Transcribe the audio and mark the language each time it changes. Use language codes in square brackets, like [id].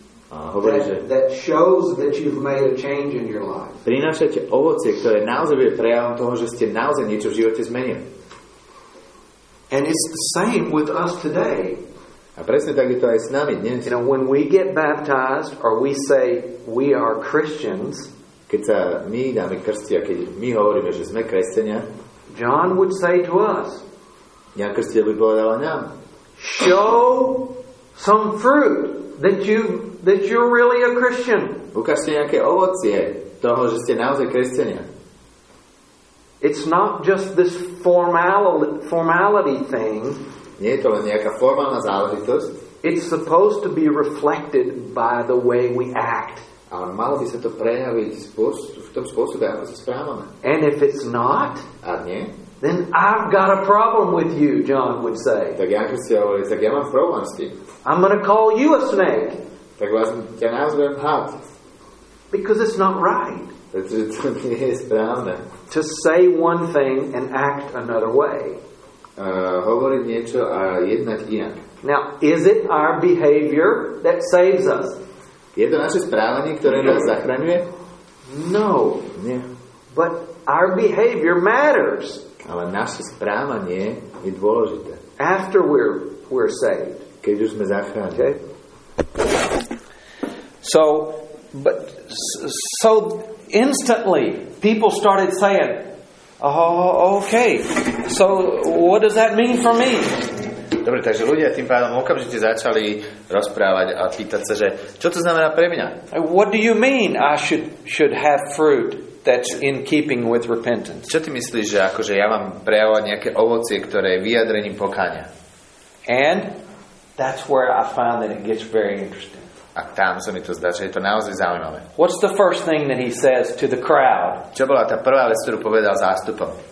[en] that shows that you've made a change in your life. [sk] Prinášate ovocie, ktoré naozaj bude prejavom toho, že ste naozaj niečo v živote zmenili. [en] And it's the same with us today. [sk] A presne tak je to aj s nami dnes. [en] You know, when we get baptized or we say we are Christians, [sk] keď sa my dáme krstia, keď my hovoríme, že sme kresťania, [en] John would say to us, [sk] Jan krstiteľ by povedal nám, [en] show some fruit that you're really a Christian. [sk] Ukážte nejaké ovocie toho, že ste naozaj kresťania. [en] It's not just this formality thing. [sk] Nie je to len nejaká formálna záležitosť. [en] It's supposed to be reflected by the way we act. [sk] Ale malo by sa to prejaviť v tom spôsobe, ako sa správame. [en] And if it's not, [sk] a nie, [en] then I've got a problem with you, John would say. [sk] Tak ja si hovorím, tak ja mám problém s tým. [en] I'm going to call you a snake. [sk] Tak vás ťa nazvem had. [en] Because it's not right. [sk] To nie je správne. [en] To say one thing and act another way. [sk] Hovoriť niečo a jednať inak. [en] Now, is it our behavior that saves us? [sk] Je to naše správanie, ktoré nás zachraňuje? [en] No. [sk] Nie. [en] But our behavior matters. [sk] Ale naše správanie je dôležité. [en] After we're saved. [sk] Keď už sme zachránili. [en] Okay. So, but so instantly people started saying, oh, okay, so what does that mean for me? [sk] Dobre, takže ľudia tým pádom okamžite začali rozprávať a pýtať sa, že čo to znamená pre mňa? [en] What do you mean I should have fruit that's in keeping with repentance? [sk] Čo ty myslíš, že akože ja mám prejavovať nejaké ovocie, ktoré je vyjadrením pokáňa? [en] And that's where I find that it gets very interesting. [sk] A tam sa mi to zdá, že je to naozaj zaujímavé. [en] What's the first thing that he says to the crowd? [sk] Čo bola tá prvá vec, ktorú povedal zástupom?